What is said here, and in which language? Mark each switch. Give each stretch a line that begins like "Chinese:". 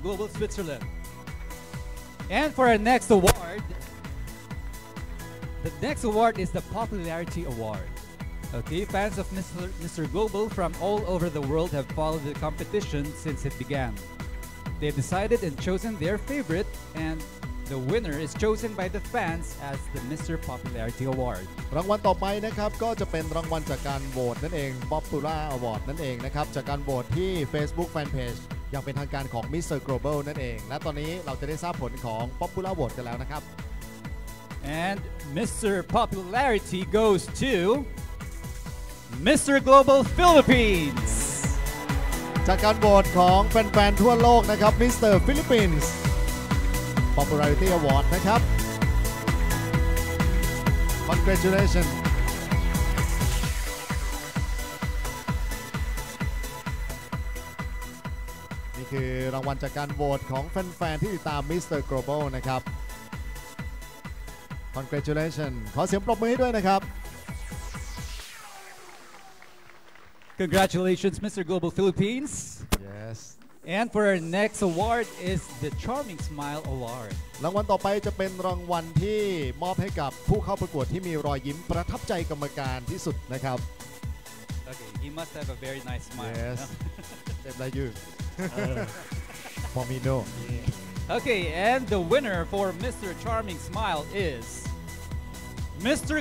English: Global Switzerland And for our next award The next award is the Popularity Award Okay, fans of Mr. Global from all over the world have followed the competition since it beganThey decided and chosen their favorite, and the winner is chosen by the fans as the Mr. Popularity Award.
Thai: รางวัลต่อไปนะครับก็จะเป็นรางวัลจากการโหวตนั่นเอง Popular Award นั่นเองนะครับจากการโหวตที่ Facebook Fanpage อย่างเป็นทางการของ Mr. Global นั่นเองและตอนนี้เราจะได้ทราบผลของ Popular Award กันแล้วนะครับ
English: And Mr. Popularity goes to Mr. Global Philippines.
Thai: จากการโหวตของแฟนๆทั่วโลกนะครับ Mr. Philippines Popularity Award นะครับ Congratulations นี่คือรางวัลจากการโหวตของแฟนๆที่ติดตาม Mr. Global นะครับ Congratulations ขอเสียงปรบมือให้ด้วยนะครับ
English: Congratulations, Mr. Global Philippines. Yes. And for our next award is the Charming Smile Award.
Thai: รางวัลต่อไปจะเป็นรางวัลที่มอบให้กับผู้เข้าประกวดที่มีรอยยิ้มประทับใจกรรมการที่สุดนะครับ
English: Okay, he must have a very nice smile. Yes. Same like you. For me, no. Okay, and the winner for Mr. Charming Smile is Mr.